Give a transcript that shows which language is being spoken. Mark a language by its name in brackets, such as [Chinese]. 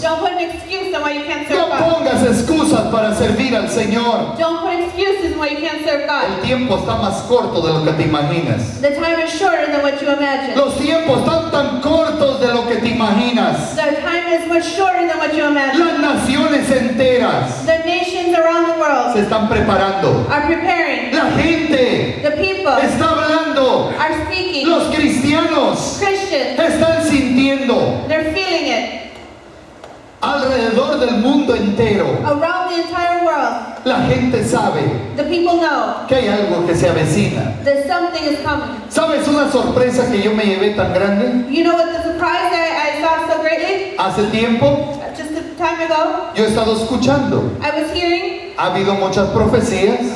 [English] Don't put an excuse on why you can't serve God. [Spanish] No pongas excusas para servir al Señor. [English] Don't put excuses why you can't serve God. [Spanish] El tiempo está más corto de lo que te imaginas. [English] The time is shorter than what you imagine. [Spanish] Los tiempos están tan cortos de lo que te imaginas. [English] The time is much shorter than what you imagine. [Spanish] Las naciones enteras. [English] The nations around the world. [Spanish] Se están preparando. [English] Are preparing. [Spanish] La gente. [English] The people. [Spanish] Está hablando. [English] Are speaking. [Spanish] Los cristianos. [English] Christians. [Spanish] Están sintiendo. [English] They're feeling it. [Spanish] Alrededor del mundo entero. [English] Around the entire world. [Spanish] La gente sabe. [English] The people know. [Spanish] Que hay algo que se avecina. [English] That something is coming. [Spanish] ¿Sabes una sorpresa que yo me llevé tan grande? [English] You know what the surprise that I saw so greatly? [Spanish] Hace tiempo. [English] Just a time ago. [Spanish] Yo he estado escuchando. [English] I was hearing. [Spanish] Ha habido muchas profecías.